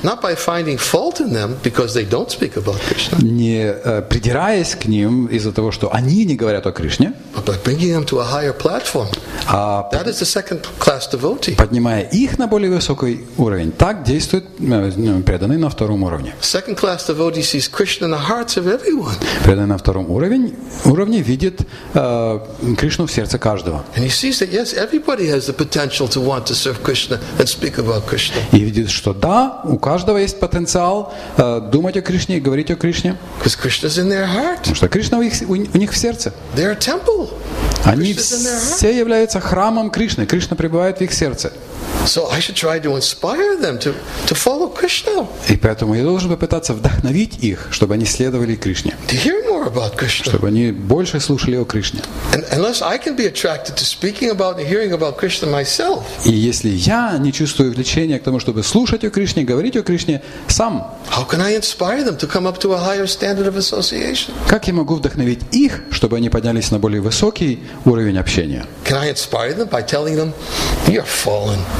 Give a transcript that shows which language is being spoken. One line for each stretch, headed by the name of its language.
English: Not by finding fault in them because they don't speak about Krishna.
Russian: Не придираясь к ним из-за того, что они не говорят о Кришне.
English: But by bringing them to a higher platform. That is the second class devotee.
Russian: Поднимая их на более высокий уровень, так действует преданный на втором уровне.
English: Second class devotee sees Krishna in the hearts of everyone.
Russian: Преданный на втором уровне видит Кришну в сердце каждого.
English: And he sees that yes, everybody has the potential to want to serve Krishna and speak about Krishna.
Russian: И видит, что да, у каждого есть потенциал думать о Кришне и говорить о Кришне.
English: Because Krishna's in their heart.
Russian: Потому что Кришна у них в сердце.
English: They're a temple.
Russian: Они все являются храмом Кришны. Кришна пребывает в их сердце.
English: So I should try to inspire them to follow Krishna.
Russian: И поэтому я должен попытаться вдохновить их, чтобы они следовали Кришне.
English: To hear more about Krishna.
Russian: Чтобы они больше слушали о Кришне.
English: And unless I can be attracted to speaking about and hearing about Krishna myself.
Russian: И если я не чувствую влечения к тому, чтобы слушать о Кришне, говорить о Кришне сам.
English: How can I inspire them to come up to a higher standard of association?
Russian: Как я могу вдохновить их, чтобы они поднялись на более высокий уровень общения?
English: Can I inspire them by telling them you're fallen?